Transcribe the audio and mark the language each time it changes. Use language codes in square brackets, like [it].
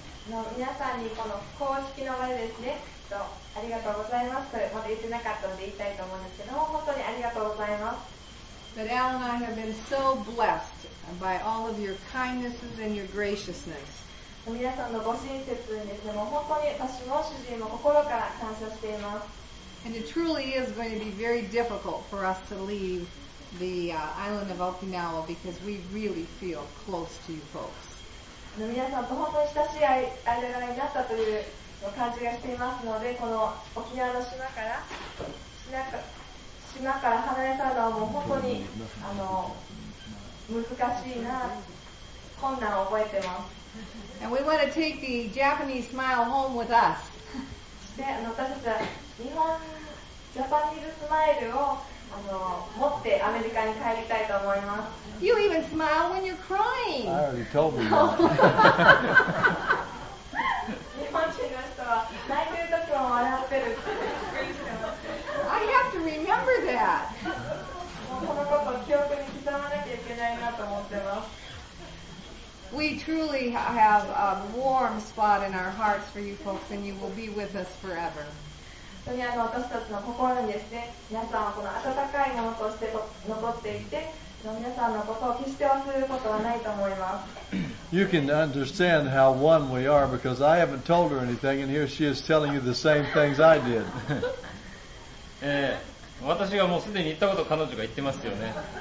[ja] No, 皆さんにこの公式の場でですね、ありがとうございます。これまだ言ってなかったので言いたいと思うんですけども、本当にありがとうございます。 [en] But Al and I have been so blessed by all of your kindnesses and your graciousness. [ja] 皆さんのご親切にですね、もう本当に私も主人も心から感謝しています。 [en] And it truly is going to be very difficult for us to leave the island of Okinawa because we really feel close to you folks. [ja] 皆さんと本当に親しい間柄になったという感じがしていますので、この沖縄の島から離れたのはもう本当に難しいな、困難を覚えてます。 [en] And we want to take the Japanese smile home with us. You even smile when you're crying. I already told you. [ja] 日本人の人は泣いてる時も笑ってる。 [en] I have to remember that. [ja] このことを記憶に刻まなきゃいけないなと思ってます。 [en] We truly have a warm spot in our hearts for you folks, and you will be with us forever. [ja] 本当に私たちの心にですね、皆さんはこの温かいものとして残っていて、皆さんのことを決して忘れることはないと思います。 [en] You can understand how one we are because I haven't told her anything, and here she is telling you the same things I did. [ja] 私がもうすでに言ったことを彼女が言ってますよね。